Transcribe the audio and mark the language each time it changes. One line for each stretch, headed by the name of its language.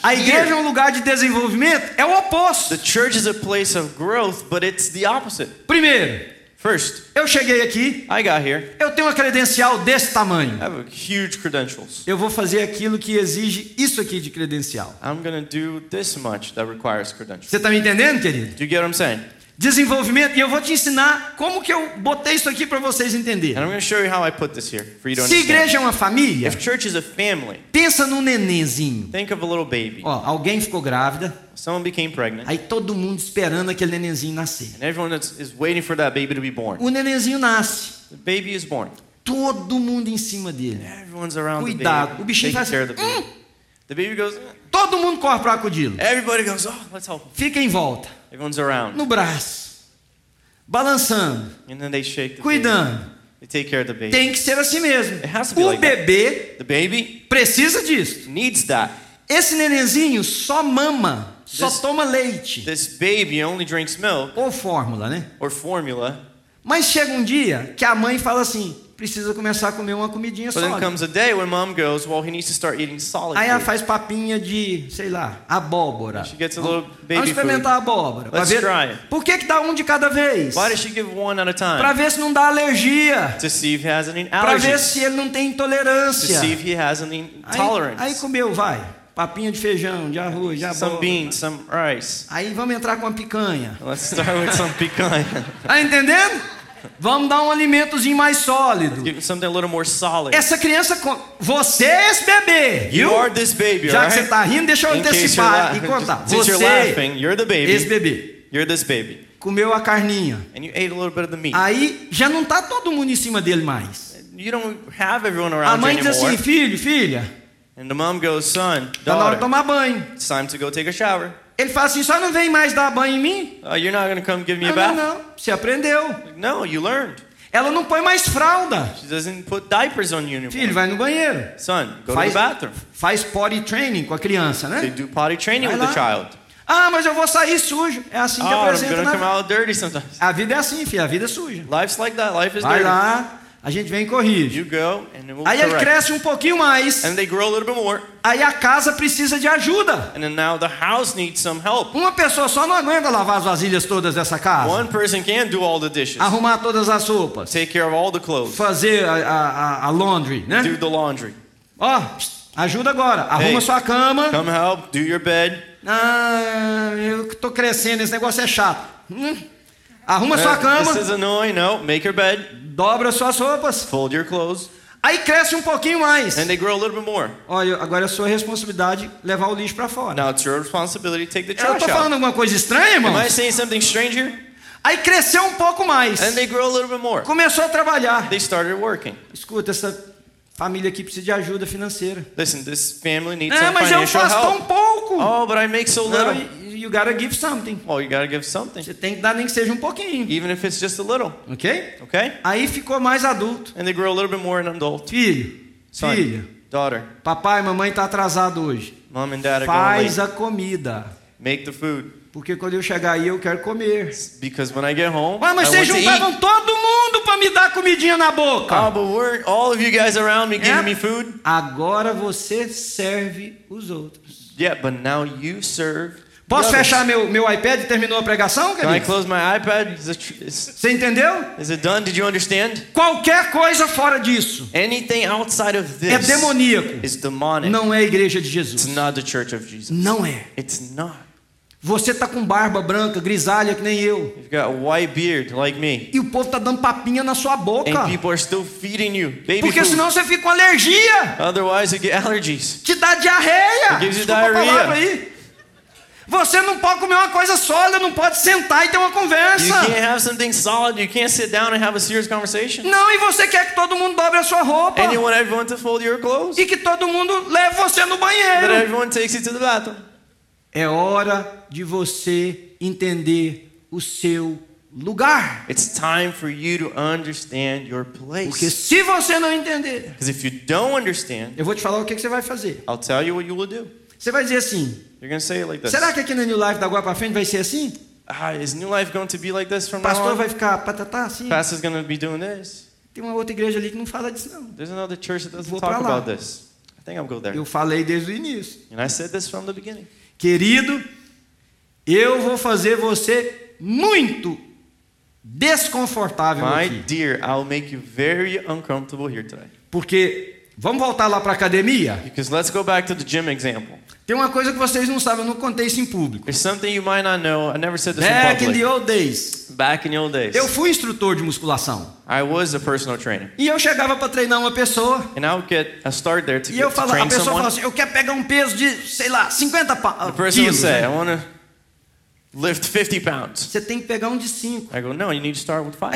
Portuguese: A igreja é um lugar de desenvolvimento, é o oposto.
English: The church is a place of growth, but it's the opposite.
Portuguese: Primeiro,
English: first,
Portuguese: eu cheguei aqui.
English: I got here.
Portuguese: Eu tenho uma credencial desse tamanho.
English: I have huge credentials.
Portuguese: Eu vou fazer aquilo que exige isso aqui de credencial.
English: I'm going to do this much that requires credentials.
Portuguese: Você está me entendendo, querido?
English: Do you get what I'm saying?
Portuguese: Desenvolvimento, e eu vou te ensinar como que eu botei isso aqui para vocês entenderem.
English: And I'm going to show you how I put this here, for you to understand.
Portuguese: Se igreja é uma família,
English: if church is a family,
Portuguese: pensa num nenenzinho.
English: Think of a little baby.
Portuguese: Ó, alguém ficou grávida.
English: Someone became pregnant.
Portuguese: Aí todo mundo esperando aquele nenenzinho nascer.
English: And everyone is waiting for that baby to be born.
Portuguese: O nenenzinho nasce.
English: The baby is born.
Portuguese: Todo mundo em cima dele.
English: And everyone's around.
Portuguese: Cuidado,
English: the baby.
Portuguese: O bichinho
English: taking
Portuguese: faz
English: care of the baby. The baby goes.
Portuguese: Todo mundo corre para acudi-lo.
English: Everybody goes, oh, let's help.
Portuguese: Fica em volta.
English: Everyone's around.
Portuguese: No braço. Balançando.
English: And then they shake the
Portuguese: cuidando.
English: Baby. They take care of the baby.
Portuguese: Tem que ser assim mesmo.
English: It has to be
Portuguese: o
English: like
Portuguese: bebê
English: that. The baby
Portuguese: precisa disso.
English: Needs that.
Portuguese: Esse nenenzinho só mama. Só
English: this,
Portuguese: toma leite.
English: This baby only drinks milk.
Portuguese: Ou fórmula, né?
English: Or formula.
Portuguese: Mas chega um dia que a mãe fala assim, precisa começar a comer uma comidinha sólida.
English: But then comes a day when mom goes, well, he needs to start eating solid.
Portuguese: Aí ela faz papinha de, sei lá, abóbora.
English: She gets a little baby food.
Portuguese: Vamos experimentar
English: food.
Portuguese: A abóbora.
English: Let's
Portuguese: ver.
English: Try.
Portuguese: Por que que dá um de cada vez?
English: Why does she give one at a time?
Portuguese: Para ver se não dá alergia.
English: To see if he has any allergies.
Portuguese: Para ver se ele não tem intolerância.
English: To see if he has any intolerance.
Portuguese: Aí comeu, vai. Papinha de feijão, de arroz, de abóbora.
English: Some beans, some rice.
Portuguese: Aí vamos entrar com uma picanha.
English: Let's start with some picanha.
Portuguese: Tá entendendo? Vamos dar um alimentozinho mais sólido.
English: Give something a little more solid.
Portuguese: Essa criança, você é esse bebê.
English: You are this baby,
Portuguese: já
English: right?
Portuguese: Que você tá rindo, deixa eu
English: in
Portuguese: antecipar e contar.
English: Since you're laughing, you're the baby.
Portuguese: Esse bebê.
English: You're this baby.
Portuguese: Comeu a carninha.
English: And you ate a little bit of the meat.
Portuguese: Aí já não tá todo mundo em cima dele mais.
English: You don't have everyone around.
Portuguese: A mãe
English: you
Portuguese: diz assim, filho, filha.
English: And the mom goes, son, daughter,
Portuguese: tá na hora de tomar banho.
English: It's time to go take a shower.
Portuguese: Ele fala assim, só não vem mais dar banho em mim?
English: Oh, you're not going to come give me
Portuguese: não,
English: a bath?
Portuguese: Não, não, você aprendeu.
English: No, you learned.
Portuguese: Ela não põe mais fralda.
English: She doesn't put diapers on you anymore.
Portuguese: Filho, vai no banheiro.
English: Son, go
Portuguese: faz,
English: to the bathroom.
Portuguese: Faz potty training com a criança, né?
English: They do potty training with the child.
Portuguese: Ah, mas eu vou sair sujo. É assim
English: oh,
Portuguese: que apresenta.
English: I'm going to come out dirty sometimes.
Portuguese: A vida é assim, filho, a vida é suja.
English: Life's like that, life is
Portuguese: vai
English: dirty.
Portuguese: Vai lá, a gente vem e corrige.
English: You go, and we'll
Portuguese: aí
English: correct.
Portuguese: Ele cresce um pouquinho mais.
English: And they grow a little bit more.
Portuguese: Aí a casa precisa de ajuda.
English: And then now the house needs some help.
Portuguese: Uma pessoa só não aguenta lavar as vasilhas todas dessa casa.
English: One person can't do all the dishes.
Portuguese: Arrumar todas as roupas.
English: Take care of all the clothes.
Portuguese: Fazer a laundry, né?
English: Do the laundry.
Portuguese: Ó, oh, ajuda agora. Arruma
English: hey,
Portuguese: sua cama.
English: Come help, do your bed.
Portuguese: Ah, eu que tô crescendo, esse negócio é chato. Arruma sua cama.
English: This is annoying. No, make your bed.
Portuguese: Dobra suas roupas.
English: Fold your clothes.
Portuguese: Aí cresce um pouquinho mais.
English: And they grow a little bit more.
Portuguese: Olha, agora é sua responsabilidade levar o lixo para fora.
English: Now it's your responsibility to take the trash out.
Portuguese: Eu tô falando alguma coisa estranha, irmão?
English: Am I saying something strange here?
Portuguese: Aí cresceu um pouco mais.
English: And they grow a little bit more.
Portuguese: Começou a trabalhar.
English: They started working.
Portuguese: Escuta, essa família aqui precisa de ajuda financeira.
English: Listen, this family needs some financial help.
Portuguese: Não, mas eu faço tão pouco.
English: Oh, but I make so little.
Portuguese: Não,
English: you gotta give something. Well, you gotta give something.
Portuguese: Você tem que dar nem que seja um pouquinho.
English: Even if it's just a little. Okay? Okay?
Portuguese: Aí ficou mais adulto.
English: And they grow a little bit more an adult.
Portuguese: Filho.
English: Son,
Portuguese: filha.
English: Daughter.
Portuguese: Papai, mamãe tá atrasado hoje.
English: Mom and dad are
Portuguese: faz
English: going late.
Portuguese: A comida.
English: Make the food.
Portuguese: Porque quando eu chegar aí eu quero comer.
English: Because when I get home,
Portuguese: ah, mas
English: I
Portuguese: vocês juntavam todo mundo para me dar comidinha na boca.
English: Oh, but weren't all of you guys around me giving me food?
Portuguese: Agora você serve os outros.
English: Yeah, but now you serve.
Portuguese: Posso fechar meu iPad e terminou a pregação, querido?
English: Can I close my iPad?
Portuguese: Você entendeu?
English: Is it done? Did you understand?
Portuguese: Qualquer coisa fora disso.
English: Anything outside of this.
Portuguese: É demoníaco.
English: Is demonic.
Portuguese: Não é a igreja de Jesus.
English: It's not the church of Jesus.
Portuguese: Não é.
English: It's not.
Portuguese: Você tá com barba branca, grisalha que nem eu.
English: You've got a white beard like me.
Portuguese: E o povo tá dando papinha na sua boca.
English: And people are still feeding you baby food.
Portuguese: Porque senão você fica com alergia.
English: Otherwise you get allergies.
Portuguese: Te dá diarreia.
English: It gives you diarrhea.
Portuguese: Você não pode comer uma coisa sólida, não pode sentar e ter uma conversa.
English: You can't have something solid, you can't sit down and have a serious conversation.
Portuguese: Não, e você quer que todo mundo dobre a sua roupa.
English: And you want everyone to fold your clothes.
Portuguese: E que todo mundo leve você no banheiro.
English: That everyone takes you to the bathroom.
Portuguese: É hora de você entender o seu lugar.
English: It's time for you to understand your place.
Portuguese: Porque se você não entender,
English: because if you don't understand,
Portuguese: eu vou te falar o que você vai fazer.
English: I'll tell you what you will do.
Portuguese: Você vai dizer assim.
English: You're going to say it like this.
Portuguese: Será que aqui na New Life da agora para frente vai ser assim?
English: Ah, is New Life going to be like this from pastor now on?
Portuguese: Vai ficar patatá assim?
English: Pastor's going to be doing this?
Portuguese: Tem uma outra igreja ali que não fala disso não.
English: There's another church that doesn't talk about this. I think I'll go there.
Portuguese: Eu falei desde o início.
English: And I said this from the beginning.
Portuguese: Querido, eu vou fazer você muito desconfortável
English: my
Portuguese: aqui.
English: My dear, I'll make you very uncomfortable here today.
Portuguese: Porque vamos voltar lá para a academia?
English: Because let's go back to the gym example.
Portuguese: Tem uma coisa que vocês não sabem, eu não contei isso em público.
English: There's something you might not know. I never said this back in public. In the old days. Back in the old days.
Portuguese: Eu fui instrutor de musculação.
English: I was a personal trainer.
Portuguese: E eu chegava para treinar uma pessoa.
English: And I would get a start there to train someone.
Portuguese: E eu falava, a pessoa falava assim, eu quero pegar um peso de, sei lá, 50 pounds.
English: The person would say, I want to lift 50 pounds.
Portuguese: Você tem que pegar um de 5.
English: I go, no, you need to start with 5.